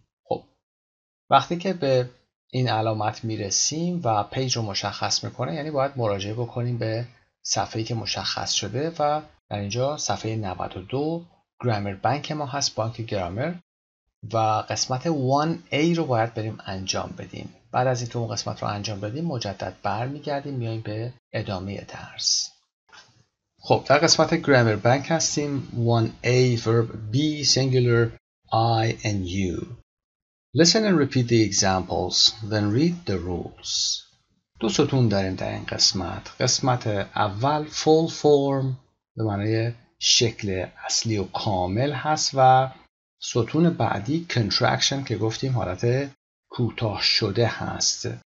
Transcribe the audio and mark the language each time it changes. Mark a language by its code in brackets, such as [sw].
[fa] خب وقتی که به این علامت میرسیم و پیج رو مشخص میکنه یعنی باید مراجعه بکنیم به صفحه‌ای که مشخص شده و در اینجا صفحه 92 گرامر بانک ما هست، بانک گرامر، و قسمت 1A رو باید بریم انجام بدیم. بعد از اینکه اون قسمت رو انجام بدیم مجدد برمیگردیم میایم به ادامه درس. خب در قسمت گرامر بانک هستیم. [en] 1A verb be singular I and you. Listen and repeat the examples, then read the rules. [fa] دو ستون داریم در این قسمت. قسمت اول full form به معنی شکل اصلی و کامل هست و ستون بعدی contraction که گفتیم حالت کوتاه شده هست.